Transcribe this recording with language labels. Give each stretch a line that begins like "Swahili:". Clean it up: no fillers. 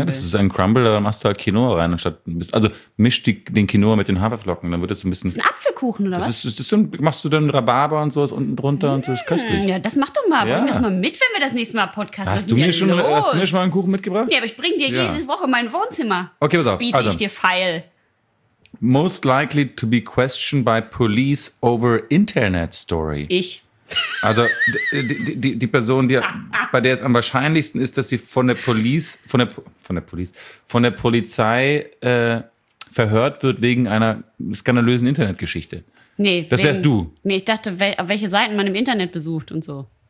German: Ja, das ist ein Crumble, da machst du halt Quinoa rein. Anstatt, also mischt den Quinoa mit den Haferflocken, dann wird das so ein bisschen... Das ist ein Apfelkuchen, oder das was? Das ist so ein, machst du dann Rhabarber und sowas unten drunter und das ist köstlich. Ja, das mach doch mal. Ja. Bring das mal mit, wenn wir das nächste Mal podcasten. Hast du mir schon mal einen Kuchen mitgebracht? Ja, aber ich bring dir jede Woche mein Wohnzimmer. Okay, pass auf. Biete ich dir feil.
English: Most likely to be questioned by police over internet story.
German: Ich. Also die Person, die, bei der es am wahrscheinlichsten ist, dass sie von der Polizei verhört wird wegen einer skandalösen Internetgeschichte. Nee, das wärst du. Nee, ich dachte, welche Seiten man im Internet besucht und so.